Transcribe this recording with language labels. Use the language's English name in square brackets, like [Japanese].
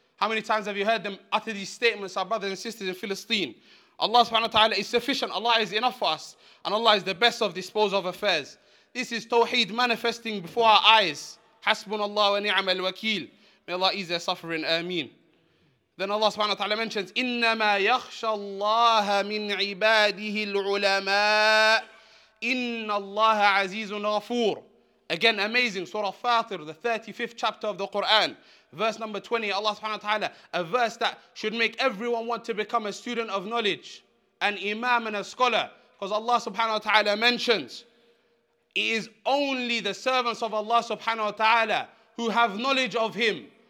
[English] How many times have you heard them utter these statements, our brothers and sisters in Philistine? Allah subhanahu wa ta'ala is sufficient. Allah is enough for us. And Allah is the best of disposal of affairs. This is Tawheed manifesting before our eyes. [Arabic] Hasbunallah wa ni'ma al-wakeel. [English] May Allah ease their suffering. Ameen. Then Allah subhanahu wa ta'ala mentions, [Arabic] إِنَّمَا يَخْشَ اللَّهَ مِنْ عِبَادِهِ الْعُلَمَاءِ إِنَّ اللَّهَ عَزِيزٌ غَفُورٌ. [English] Again, amazing. Surah Fatir, the 35th chapter of the Quran. Verse number 20, Allah subhanahu wa ta'ala, a verse that should make everyone want to become a student of knowledge, an imam and a scholar. Because Allah subhanahu wa ta'ala mentions, it is only the servants of Allah subhanahu wa ta'ala who have knowledge of Him.